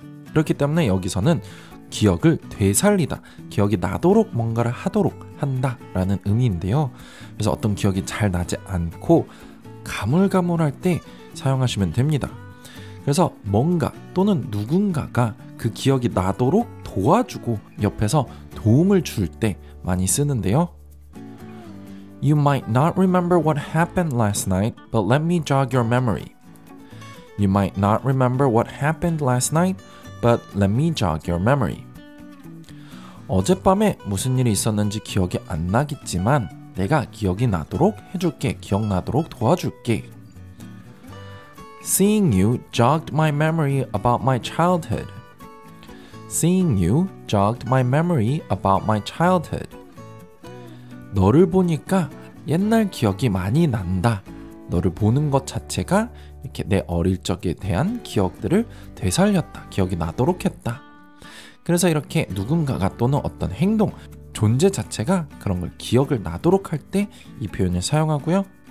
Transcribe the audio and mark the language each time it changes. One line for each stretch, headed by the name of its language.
Korean: 그렇기 때문에 여기서는 기억을 되살리다, 기억이 나도록 뭔가를 하도록 한다 라는 의미인데요. 그래서 어떤 기억이 잘 나지 않고 가물가물할 때 사용하시면 됩니다. 그래서 뭔가 또는 누군가가 그 기억이 나도록 도와주고 옆에서 도움을 줄 때 많이 쓰는데요.
English: You might not remember what happened last night, but let me jog your memory. You might not remember what happened last night, but let me jog your memory.
Korean: 어젯밤에 무슨 일이 있었는지 기억이 안 나겠지만 내가 기억이 나도록 해줄게, 기억나도록 도와줄게.
English: Seeing you jogged my memory about my childhood. Seeing you jogged my memory about my childhood.
Korean: 너를 보니까 옛날 기억이 많이 난다. 너를 보는 것 자체가 이렇게 내 어릴 적에 대한 기억들을 되살렸다, 기억이 나도록 했다. 그래서 이렇게 누군가가 또는 어떤 행동, 존재 자체가 그런 걸 기억을 나도록 할 때 이 표현을 사용하고요.